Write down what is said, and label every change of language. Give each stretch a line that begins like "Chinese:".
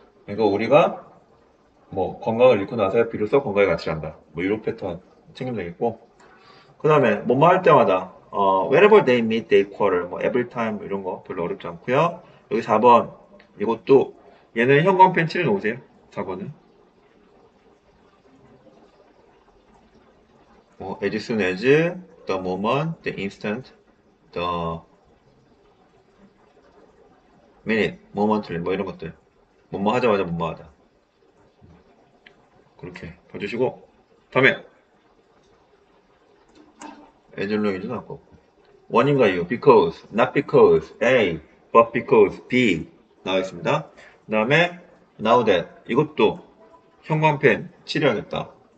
Korean: 이거 우리가 뭐 건강을 잃고 나서야 비로소 건강의 가치를 안다. 뭐 이런 패턴 챙기면 되겠고. 그다음에 뭐뭐 할 때마다.
English: Whenever they meet, they quarrel.
Korean: 뭐,
English: every time,
Korean: 이런 거 별로 어렵지 않고요. 여기 4번. 이것도, 얘는 형광펜 칠해놓으세요. 4번은.
English: 뭐, as soon as the moment, the instant, the minute, momently, 뭐,
Korean: 이런 것들. 뭐뭐 하자마자 뭐뭐 하자. 그렇게 봐주시고. 다음에. as long as 나왔고. 원인과 이유, because, not because, A, but because, B 나와 있습니다. 그다음에 now that 이것도 형광펜 칠해야겠다.